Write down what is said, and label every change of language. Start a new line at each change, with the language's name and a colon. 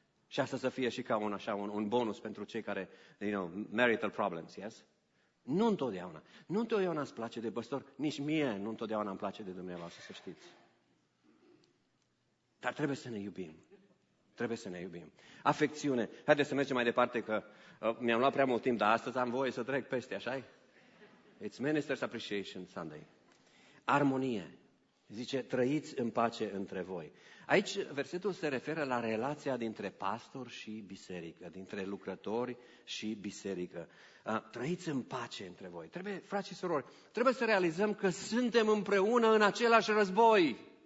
Romanian: Și asta să fie și ca un, așa, un bonus pentru cei care,
English: you know, marital problems, yes?
Romanian: Nu întotdeauna. Nu întotdeauna îți place de păstor, nici mie nu întotdeauna îmi place de dumneavoastră, să știți. Dar trebuie să ne iubim. Trebuie să ne iubim. Afecțiune. Haideți să mergem mai departe, că mi-am luat prea mult timp, dar astăzi am voie să trec peste, așa-i?
English: It's Minister's Appreciation Sunday.
Romanian: Armonie. Zice, trăiți în pace între voi. Aici versetul se referă la relația dintre pastor și biserică, dintre lucrători și biserică. Trăiți în pace între voi. Trebuie, frați și surori, trebuie să realizăm că suntem împreună în același război.